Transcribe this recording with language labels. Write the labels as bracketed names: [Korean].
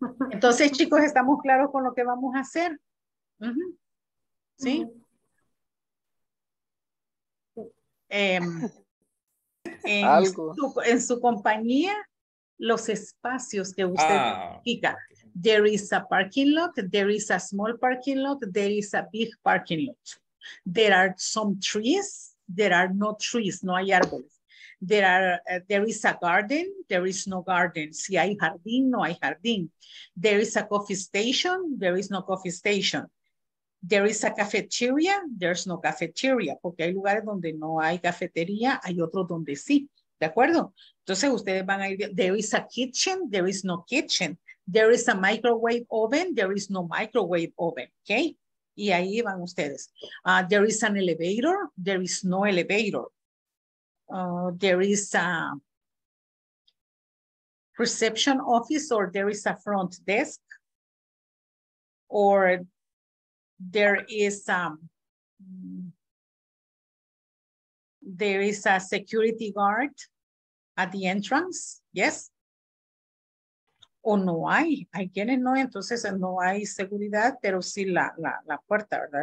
[Spanish] Entonces, chicos, ¿estamos claros con lo que vamos a hacer? Sí. En su compañía, los espacios que usted fija. [English] There is a parking lot, there is a small parking lot, there is a big parking lot. There are some trees, there are no trees, [Spanish] no hay árboles. [English] There is a garden, there is no garden. [Spanish] Si hay jardín, no hay jardín. [English] There is a coffee station, there is no coffee station. There is a cafeteria, there's no cafeteria, [Spanish] porque hay lugares donde no hay cafetería, hay otros donde sí, ¿de acuerdo? Entonces ustedes van a ir, [English] there is a kitchen, there is no kitchen, there is a microwave oven, there is no microwave oven, ¿ok? [Spanish] Y ahí van ustedes. [English] There is an elevator, there is no elevator. There is a reception office, or there is a front desk, or there is a security guard at the entrance, yes? [Spanish] O no hay, hay quienes no, entonces no hay seguridad, pero sí la puerta, ¿verdad?